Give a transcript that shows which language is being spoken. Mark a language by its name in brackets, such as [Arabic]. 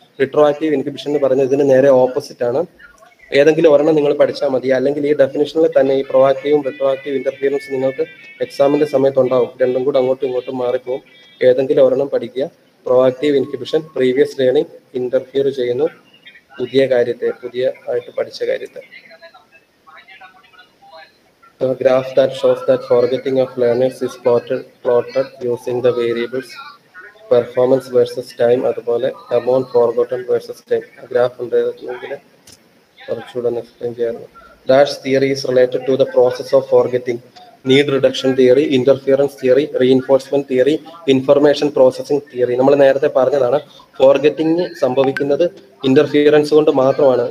[Malayalam] റിട്രോആക്റ്റീവ് inhibition എന്ന് പറയുന്നത് ഇതിന് നേരെ ഓപ്പോസിറ്റ് ആണ്. ഏതെങ്കിലും ഒരെണ്ണം നിങ്ങൾ പഠിച്ചാൽ മതി, അല്ലെങ്കിൽ ഈ ഡെഫിനിഷനിൽ തന്നെ ഈ പ്രൊആക്റ്റീവും റിട്രോആക്റ്റീവ് ഇന്റർഫിയറൻസ് നിങ്ങൾക്ക് എക്സാമിന്റെ സമയത്ത് ഉണ്ടാവും. രണ്ടും കൂടെ അങ്ങോട്ടും ഇങ്ങോട്ടും മാറിപ്പോവും. ഏതെങ്കിലും ഒരെണ്ണം പഠിക്കുക. Proactive inhibition previous learning interfere ചെയ്യുന്നു പുതിയ കാര്യത്തെ, പുതിയ ആയിട്ട് പഠിച്ച കാര്യത്തെ. [English] The graph that shows that forgetting of learners is plotted using the variables performance versus time, അതുപോലെ amount forgotten versus time. [Malayalam] ആ ഗ്രാഫ് ഉണ്ടായിരുന്നെങ്കിൽ കുറച്ചുകൂടെ ഒന്ന് എക്സ്പ്ലെയിൻ ചെയ്യാമോ? [English] Dash theory is related to the process of forgetting. Need reduction theory, interference theory, reinforcement theory, information processing theory. [Malayalam] നമ്മൾ നേരത്തെ പറഞ്ഞതാണ് forgetting സംഭവിക്കുന്നത് ഇന്റർഫിയറൻസ് കൊണ്ട് മാത്രമാണ്.